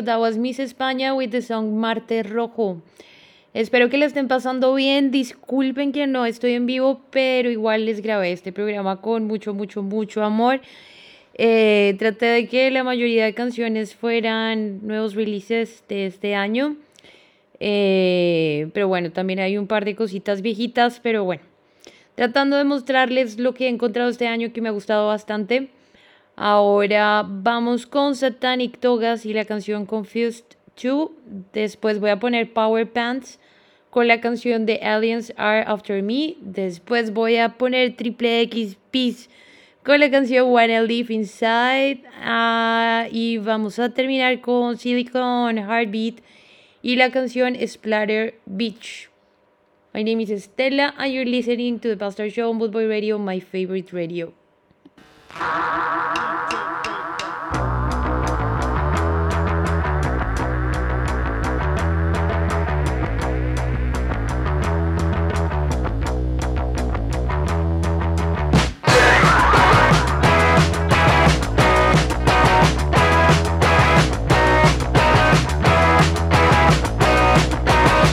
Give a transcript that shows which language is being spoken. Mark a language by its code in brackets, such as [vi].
[en] That was Miss España with the song Marte Rojo. [es] Espero que la estén pasando bien. Disculpen que no estoy en vivo, pero igual les grabé este programa con mucho, mucho, mucho amor. Traté de que la mayoría de canciones fueran nuevos releases de este año. Pero bueno, también hay un par de cositas viejitas, pero bueno. Tratando de mostrarles lo que he encontrado este año que me ha gustado bastante. Ahora vamos con Satanic Togas y la canción Confused 2. Después voy a poner Power Pants con la canción The Aliens Are After Me. Después voy a poner Triple X Peace con la canción When I Live Inside. Y vamos a terminar con Silicon Heartbeat y la canción Splatter Beach. [en] My name is Stella and you're listening to the Bastard Show on Bootboy Radio, my favorite radio. Disappear later tonight. Gotta feel it, something's